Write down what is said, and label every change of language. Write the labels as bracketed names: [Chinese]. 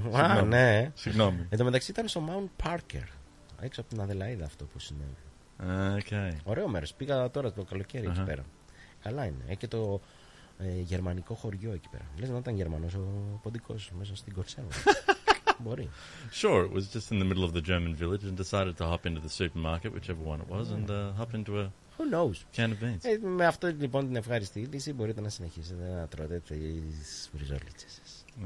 [Greek] Α, ναι. Συγγνώμη. Εν τω μεταξύ ήταν στο Mount Parker. Έξω από την Αδελαϊδα αυτό που συνέβη. Okay. Ωραίο μέρος. Πήγα τώρα το καλοκαίρι εκεί πέρα. Καλά είναι. Έχει και το γερμανικό χωριό εκεί πέρα. Λες να ήταν Γερμανός ο ποντικός μέσα στην κονσέρβα. Μπορεί. [English] Sure, it was just in the middle of the German village and decided to hop into the supermarket, whichever one it was, and hop into a who knows? Can of beans. [Greek] Με αυτό λοιπόν την ευχάριστη είδηση μπορείτε να συνεχίσετε να τρώτε τις βριζόλιτσες σας.